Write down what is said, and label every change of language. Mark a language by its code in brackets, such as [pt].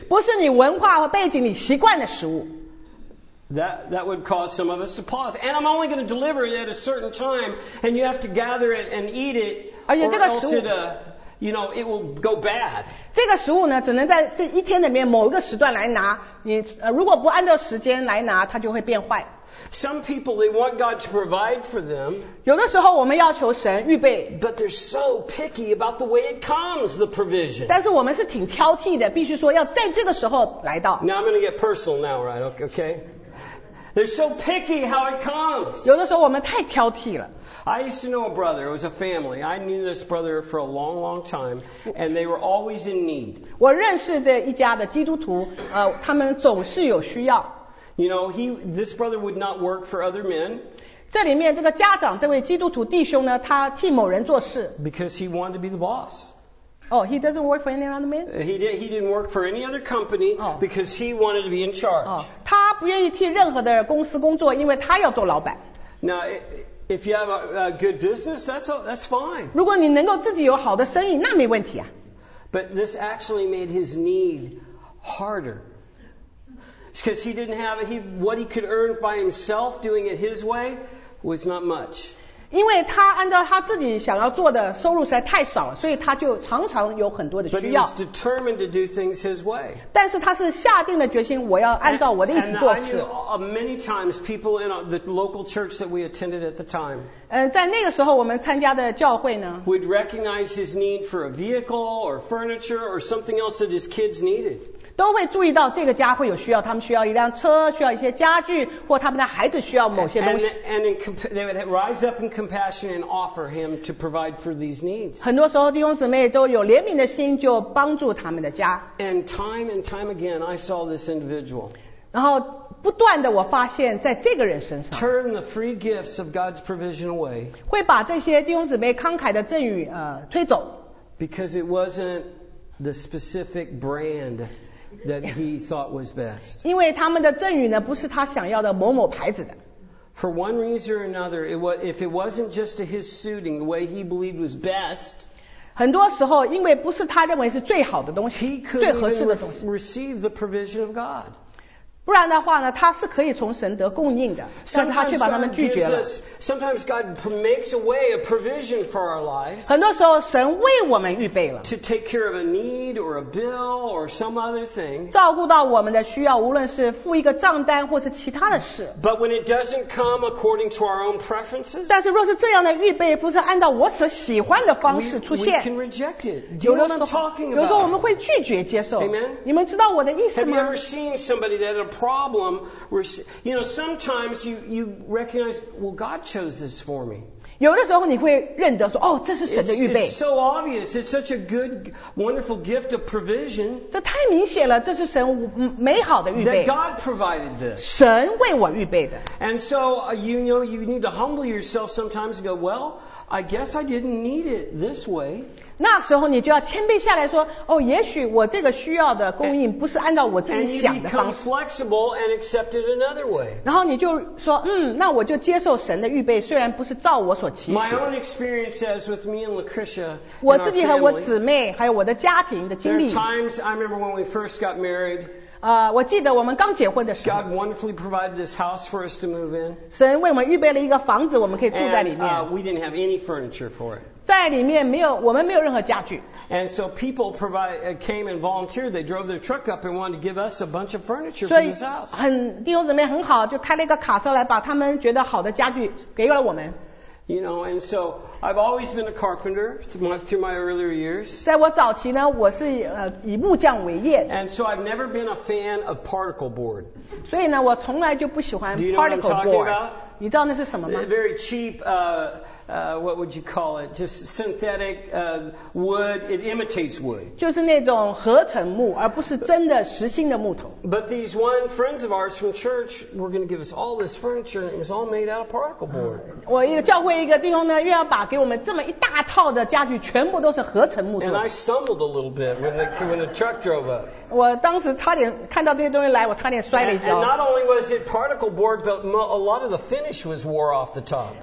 [zh] 不是你文化和背景你习惯的食物。 [en] That would cause some of us to pause. And I'm only going to deliver it at a certain time, and you have to gather it and eat it, or else it, you know, it will go bad. [zh] 这个食物呢，只能在这一天里面某一个时段来拿。你如果不按照时间来拿，它就会变坏。 [en] Some people they want God to provide for them. [zh] 有的时候我们要求神预备 [en] But they're so picky about the way it comes, the provision. [zh] 但是我们是挺挑剔的，必须说要在这个时候来到。 [en] Now I'm going to get personal now, right? Okay. They're so picky how it comes. [zh] 有的时候我们太挑剔了。 [en] I used to know a brother. It was a family. I knew this brother for a long, long time, and they were always in need. [zh] 我认识这一家的基督徒，他们总是有需要。 [en] You know, this brother would not work for other men. [zh] 这里面这个家长这位基督徒弟兄呢，他替某人做事。 [en] Because he wanted to be the boss. Oh, he doesn't work for any other man? He didn't work for any other company because he wanted to be in charge. [zh] 他不愿意替任何的公司工作，因为他要做老板。 [en] Now, if you have a good business, that's fine. [zh] 如果你能够自己有好的生意，那没问题啊。 [en] But this actually made his need harder. Because he didn't have what he could earn by himself doing it his way was not much. [zh] 因为他按照他自己想要做的收入实在太少了，所以他就常常有很多的需要。 [en] But he was determined to do things his way. [zh] 但是他是下定了决心，我要按照我的意思做事。 [en] And many times people in the local church that we attended at the time. [zh] 在那个时候我们参加的教会呢 [en] ，would recognize his need for a vehicle or furniture or something else that his kids needed. [zh] 都会注意到这个家会有需要，他们需要一辆车，需要一些家具，或他们的孩子需要某些东西。 [en] They would rise up in compassion and offer him to provide for these needs. [zh] 很多时候弟兄姊妹都有怜悯的心，就帮助他们的家。 [en] And time again, I saw this individual. [zh] 然后不断的我发现在这个人身上。 [en] Turn the free gifts of God's provision away. [zh] 会把这些弟兄姊妹慷慨的赠与推走。 [en] Because it wasn't the specific brand. That he thought was best. [zh] 因为他们的赠与呢，不是他想要的某某牌子的。 [en] For one reason or another, if it wasn't just to his suiting, the way he believed was best. [zh] 很多时候，因为不是他认为是最好的东西，最合适的东西。 [en] He couldn't even receive the provision of God. [zh] 不然的话呢，他是可以从神得供应的，但是他却把他们拒绝了。 [en] Sometimes God makes a way, a provision for our lives. [zh] 很多时候神为我们预备了。 [en] To take care of a need or a bill or some other thing. [zh] 照顾到我们的需要，无论是付一个账单或是其他的事。 [en] But when it doesn't come according to our own preferences. [zh] 但是若是这样的预备不是按照我所喜欢的方式出现。 [en] We can reject it. Do you know what I'm talking about? [zh] 有时候我们会拒绝接受。 [en] Amen. [zh] 你们知道我的意思吗？ [en] Have you ever seen somebody that had a problem? You know, sometimes you recognize, well, God chose this for me. [zh] 有的时候你会认得说，哦，这是神的预备。 [en] It's so obvious. It's such a good, wonderful gift of provision. [zh] 这太明显了，这是神美好的预备。 That God provided this. 神为我预备的。 [en] And so, you know, you need to humble yourself sometimes and go, well, I guess I didn't need it this way. [zh] 那时候你就要谦卑下来说，哦，也许我这个需要的供应不是按照我自己想的方式。 [en] And you become flexible and accept it another way. [zh] 然后你就说，嗯，那我就接受神的预备，虽然不是照我所期许。 [en] My own experience says with me and Lucretia, [zh] 我自己和我姊妹还有我的家庭的经历。 [en] There are times I remember when we first got married. [zh] 我记得我们刚结婚的时候。 [en] God wonderfully provided this house for us to move in. [zh] 神为我们预备了一个房子，我们可以住在里面。 [en] And we didn't have any furniture for it. [zh] 在里面没有，我们没有任何家具。 [en] And so people came and volunteered. They drove their truck up and wanted to give us a bunch of furniture from this house. [zh] 很弟兄姊妹很好，就开了一个卡车来把他们觉得好的家具给了我们。 [en] You know, and so I've always been a carpenter through my earlier years. [zh] 在我早期呢，我是以木匠为业。 [en] And so I've never been a fan of particle board. [zh] 所以呢，我从来就不喜欢 particle [en] board. [zh] 你知道那是什么吗 [en] ？Very cheap. What would you call it? Just synthetic wood. It imitates wood. [zh] 就是那种合成木，而不是真的实心的木头。 [en] But these one friends of ours from church were going to give us all this furniture. It was all made out of particle board. [zh] 我一个教会一个弟兄呢，又要把给我们这么一大套的家具，全部都是合成木头。 [en] And I stumbled a little bit when the truck drove up. [zh] 我当时差点看到这些东西来，我差点摔了一跤。 [en] And not only was it particle board, but a lot of the finish was wore off the top.